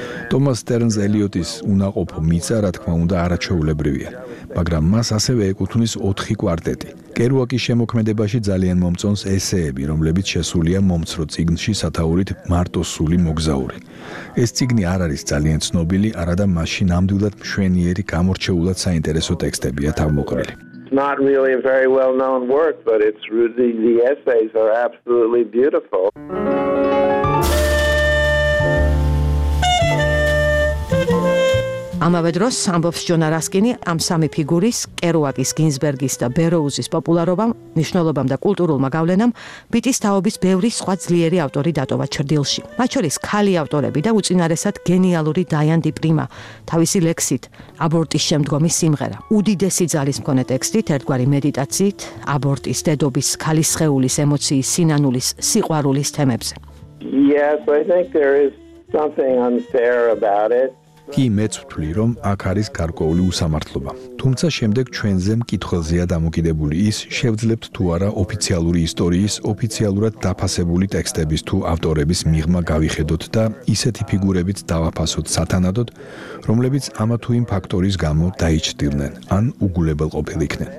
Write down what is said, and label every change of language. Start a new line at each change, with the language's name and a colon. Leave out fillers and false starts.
Georgian: ტომას სტერნს ელიოტის უნაყოფო მიწა, რა თქმა უნდა, არაჩვეულებრივია, მაგრამ მას ასევე ეკუთვნის 4 კვარტეტი. კერუაკის შემოქმედებაში ძალიან მომწონს ესეები, რომლებიც შესულია მომცრო წიგნში სათაურით „მარტო სული მოგზაური“. ეს წიგნი არ არის ძალიან ცნობილი, არადა მასში ნამდვილად მშვენიერი, გამორჩეულად საინტერესო ტექსტებია თავმოყრილი.
English: Not really a very well-known work, but it's really the essays are absolutely beautiful.
Georgian: ამავე დროს სამბობს ჯონა რასკინი, ამ სამი ფიგურის, კერუაკის, გინსბერგის და ბეროუზის პოპულარობამ, მნიშვნელობამ და კულტურულმა გავლენამ ბიტის თაობის ბევრი სხვა ძლიერი ავტორი დატოვა ჩრდილში. მათ შორის ქალი ავტორები და უწინარესად გენიალური დაიან დი პრიმა, თავისი ლექსით „აბორტის შემდგომი სიმღერა“, უდიდესი ძალის მქონე ტექსტით, ერთგვარი მედიტაციით, აბორტის, დედობის, ქალის სხეულის, ემოციის, სინანულის, სიყვარულის თემებზე.
English: Yes, I think there is something unfair about it.
Georgian: კი, მეც ვთვლი, რომ აქ არის გარკვეული უსამართლობა. თუმცა შემდეგ ჩვენზე მკითხველზეა დამოკიდებული ის, შევძლებთ თუ არა ოფიციალური ისტორიის, ოფიციალურად დაფასებული ტექსტების თუ ავტორების მიღმა გავიხედოთ და ისეთი ფიგურებით დავაფასოთ სათანადოდ, რომლებიც ამა თუ იმ ფაქტორის გამო დაიჭრდილნენ ან უგულებელ ყოფილიქნენ.